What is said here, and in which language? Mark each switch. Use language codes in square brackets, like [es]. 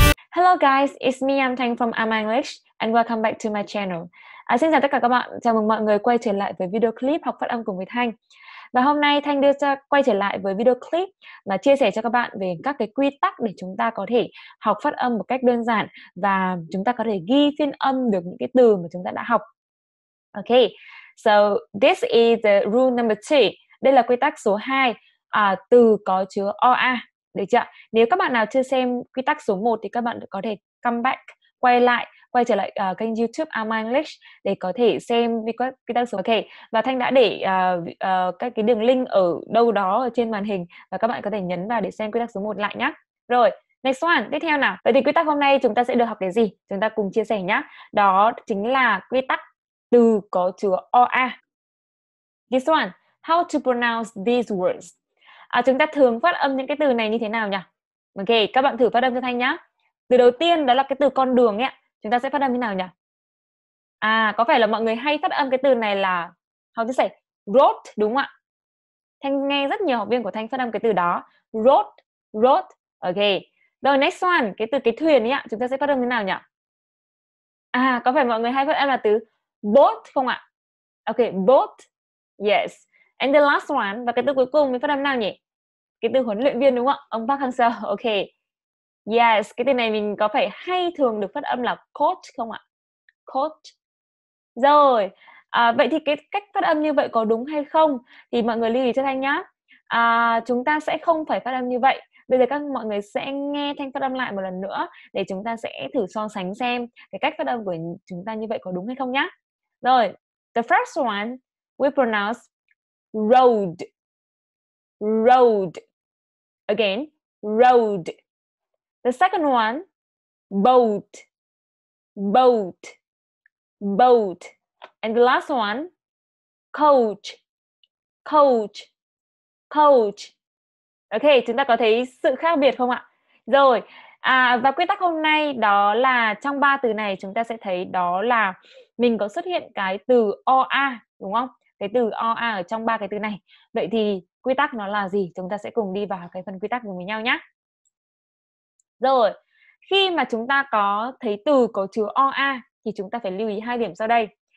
[en] Hello guys, it's me, I'm Thanh from I'm English and welcome back to my channel. [vi] Xin chào tất cả các bạn, chào mừng mọi người quay trở lại với video clip học phát âm cùng với Thanh. Và hôm nay Thanh đưa cho, quay trở lại với video clip mà chia sẻ cho các bạn về các cái quy tắc để chúng ta có thể học phát âm một cách đơn giản và chúng ta có thể ghi phiên âm được những cái từ mà chúng ta đã học. [en] Okay, so this is the rule number 2. [vi] Đây là quy tắc số 2, từ có chứa OA. Được chưa? Nếu các bạn nào chưa xem quy tắc số 1 thì các bạn có thể [en] come back, [vi] quay trở lại kênh YouTube Am English để có thể xem quy tắc số 1. Okay. Và Thanh đã để các cái đường link ở đâu đó ở trên màn hình và các bạn có thể nhấn vào để xem quy tắc số 1 lại nhé. Rồi, [en] next one, [vi] tiếp theo nào. Vậy thì quy tắc hôm nay chúng ta sẽ được học cái gì? Chúng ta cùng chia sẻ nhé. Đó chính là quy tắc từ có chứa OA. [en] This one, how to pronounce these words? [vi] Chúng ta thường phát âm những cái từ này như thế nào nhỉ? Ok, các bạn thử phát âm cho Thanh nhá. Từ đầu tiên đó là cái từ con đường ấy, chúng ta sẽ phát âm như thế nào nhỉ? Có phải là mọi người hay phát âm cái từ này là [en] how to say road [vi] đúng không ạ? Thanh nghe rất nhiều học viên của Thanh phát âm cái từ đó, road, road. Ok. Rồi [en] next one, [vi] cái từ cái thuyền ấy ạ, chúng ta sẽ phát âm như thế nào nhỉ? Có phải mọi người hay phát âm là từ boat không ạ? Ok, boat. [en] Yes. And the last one, [vi] và cái từ cuối cùng mình phát âm nào nhỉ? Cái từ huấn luyện viên đúng không ạ? Ông Park Hang-seo. Ok. [en] Yes, [vi] cái từ này mình có phải hay thường được phát âm là coach không ạ? Coach. Rồi, vậy thì cái cách phát âm như vậy có đúng hay không? Thì mọi người lưu ý cho Thanh nhá. Chúng ta sẽ không phải phát âm như vậy. Bây giờ các mọi người sẽ nghe Thanh phát âm lại một lần nữa để chúng ta sẽ thử so sánh xem cái cách phát âm của chúng ta như vậy có đúng hay không nhá. [en] Rồi, the first one we pronounce road, road, again, road. The second one, boat, boat, boat. And the last one, coach, coach, coach. [vi] Ok, chúng ta có thấy sự khác biệt không ạ? Rồi, và quy tắc hôm nay đó là trong ba từ này chúng ta sẽ thấy đó là mình có xuất hiện cái từ OA, đúng không? Cái từ OA ở trong ba cái từ này. Vậy thì quy tắc nó là gì? Chúng ta sẽ cùng đi vào cái phần quy tắc cùng với nhau nhé. Rồi, khi mà chúng ta có thấy từ có chứa OA thì chúng ta phải lưu ý hai điểm sau đây.